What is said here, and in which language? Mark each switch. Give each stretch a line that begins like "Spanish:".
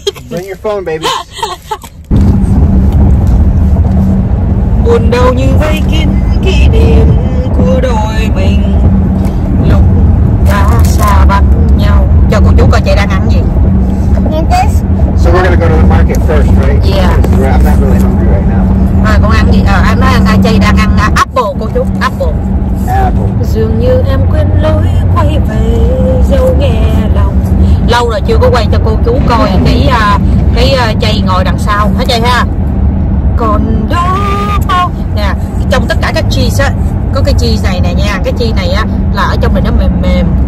English: Bring your phone, baby.
Vietnamese: Buồn đau như vây kín kỷ niệm của đôi mình lúc đã xa bắt nhau. Chờ cô chú coi chị đang ăn gì.
English: So we're gonna go to the market first, right? Yeah. I'm not really hungry right now.
Vietnamese: À, con ăn gì? À, anh nói chị đang ăn apple cô chú. Apple. Dường như em quên lối quay về dấu nghe lòng. Lâu rồi chưa có quay cho cô chú coi cái chị ngồi đằng sau hả chị ha. Còn đó không? Nè, trong tất cả các cheese á, có cái cheese này nè nha, cái cheese này á là ở trong này nó mềm mềm.